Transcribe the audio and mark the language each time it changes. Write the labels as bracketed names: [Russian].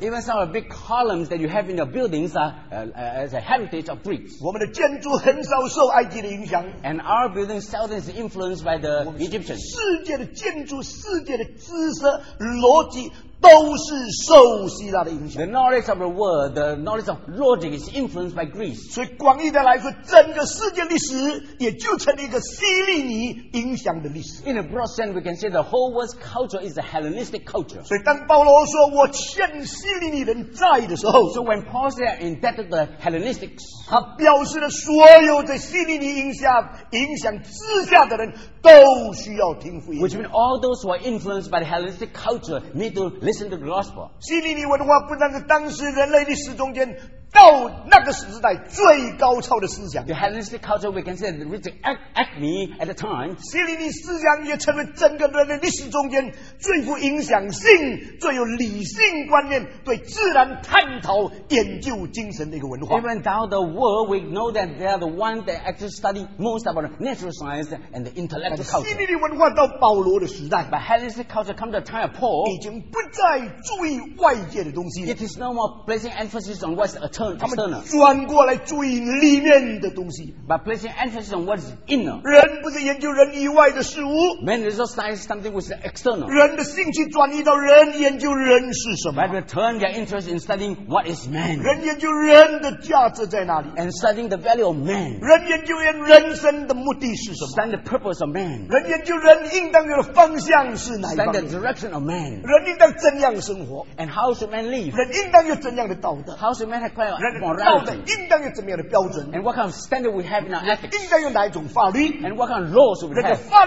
[English] Even some of the big columns that you have in your buildings are as a heritage of Greece. [Chinese] 我们的建筑很少受埃及的影响。 [English] And our buildings seldom is influenced by the Egyptians. [Chinese] 世界的建筑, 世界的知识逻辑, 都是受希腊的影响。 [English] The knowledge of the world, the knowledge of logic is influenced by Greece. [Chinese] 所以广义的来说, 整个世界历史 也就成了一个希利尼影响的历史。 [English] In a broad sense, we can say the whole world's culture is a Hellenistic culture. [Chinese] 所以当保罗说, 我欠希利尼人债的时候, [English] so when Paul said, I'm indebted to the Hellenistics, [Chinese] 他表示了所有在希利尼影响之下的人都需要听福音。 [English] Which means all those who are influenced by the Hellenistic culture need to listen. listen to the gospel. [Chinese] 希利尼文化不但是当时人类历史中间 到那个时代最高超的思想 [English] The Hellenistic culture we can say reached the acme at the time [Chinese] 希利尼思想也成为整个人类历史中间最富影响性最有理性观念对自然探讨研究精神的一个文化 [English] Even down the world we know that they are the ones that actually study most about natural science and the intellectual culture [Chinese] 希利尼文化到保罗的时代 [English] But Hellenistic culture come to the time of Paul [Chinese] 已经不再注意外界的东西了 [English] It is no more placing emphasis on what's eternal [Chinese] 他们转过来注意里面的东西 [English] But placing emphasis on what is inner [Chinese] 人不是研究人以外的事物 [English] Man is not studying something which is external [Chinese] 人的兴趣转移到人研究人是什么 [English] But return their interest in studying what is man [Chinese] 人研究人的价值在哪里 [English] And studying the value of man [Chinese] 人研究人生的目的是什么 [English] Study the purpose of man [Chinese] 人研究人应当有的方向是哪一方面 [English] Study the direction of man [Chinese] 人应当怎样生活 [English] And how should man live [Chinese] 人应当有怎样的道德 [English] How should man acquire [Chinese] morality 道德应当有怎么样的标准 [English] And what kind of standard we have in our ethics [Chinese] 应该有哪一种法律 [English] And what kind of laws we have